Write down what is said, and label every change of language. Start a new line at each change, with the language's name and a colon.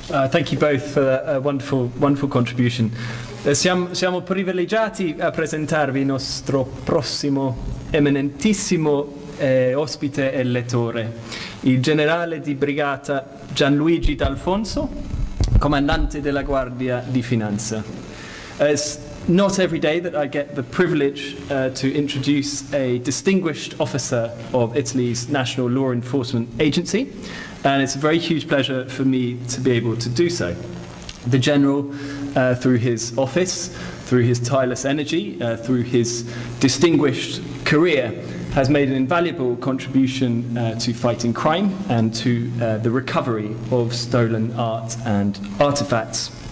English: Thank you both for a wonderful, wonderful contribution.
Italian: Siamo privilegiati a presentarvi nostro prossimo eminentissimo ospite e lettore, il generale di brigata Gianluigi D'Alfonso, comandante della Guardia di Finanza.
English: It's not every day that I get the privilege to introduce a distinguished officer of Italy's National Law Enforcement Agency, and it's a very huge pleasure for me to be able to do so. The general, through his office, through his tireless energy, through his distinguished career, has made an invaluable contribution to fighting crime and to the recovery of stolen art and artifacts.